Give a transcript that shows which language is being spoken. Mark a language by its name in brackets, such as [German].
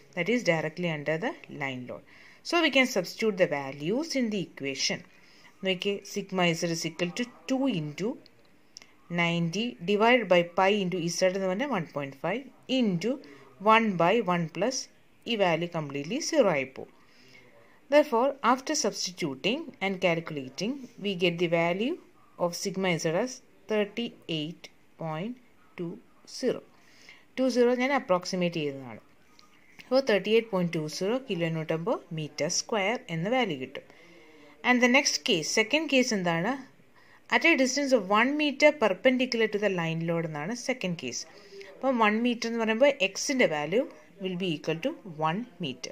[English] That is directly under the line load. So we can substitute the values in the equation. നോക്കിയേ, sigma z is equal to 2 × 90 ÷ π × z [Malayalam] എന്ന് പറഞ്ഞാൽ [English] 1.5 × 1 ÷ 1 + ഈ value completely 0 ആയിപ്പോകും. Therefore, after substituting and calculating, we get the value of sigma z as 38.20. [Malayalam] ഞാൻ approximate ചെയ്തതാണ്. അപ്പോൾ 38.20 kN/m² എന്ന value കിട്ടും. [English] And the next case, second case എന്താണ്? At a distance of 1 m perpendicular to the line load [Malayalam] എന്നാണ് second case. അപ്പം 1 m എന്ന് പറയുമ്പോൾ എക്സിൻ്റെ value [English] will be equal to [Malayalam] 1 m.